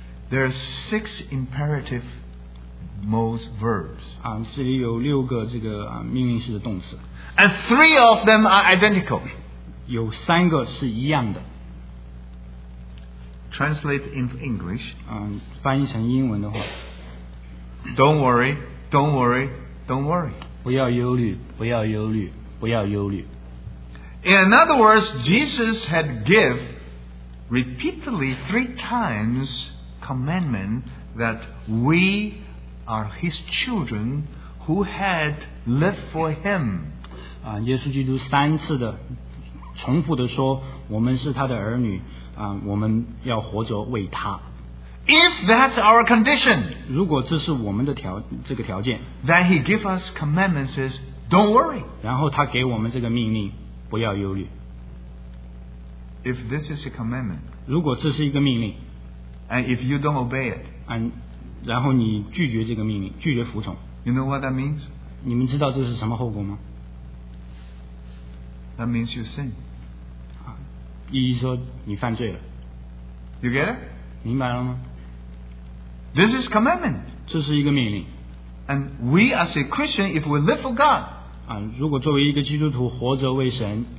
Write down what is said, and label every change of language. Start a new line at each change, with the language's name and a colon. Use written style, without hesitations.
English: there are six imperative modes verbs,
Chinese: 这里有六个这个命令式的动词，
English: and three of them are identical.
Chinese: 有三个是一样的。
English: Translate in English.
Chinese: 翻译成英文的话。
English: Don't worry, don't worry, don't worry.
Chinese: 不要忧虑，不要忧虑，不要忧虑。
English: In other words, Jesus had given repeatedly three times commandment that we are his children who had lived for him.
Chinese: 耶稣基督三次的重复地说，我们是他的儿女，我们要活着为他。
English: If that's our condition,
Chinese: 如果这是我们的这个条件，
English: then he give us commandments, don't Don't worry.
Chinese: 然后他给我们这个命令，不要忧虑。
English: If this is a commandment,
Chinese: 如果这是一个命令，
English: and if you don't obey it,
Chinese: 然后你拒绝这个命令，拒绝服从，
English: you know what that means?
Chinese: 你们知道这是什么后果吗？
English: That means you sin.
Chinese: 意思说你犯罪了。
English: You get it?
Chinese: 明白了吗？
English: This is commandment.
Chinese: 这是一个命令。
English: And we as a Christian, if we live for God,
Chinese: 如果作为一个基督徒活着为神，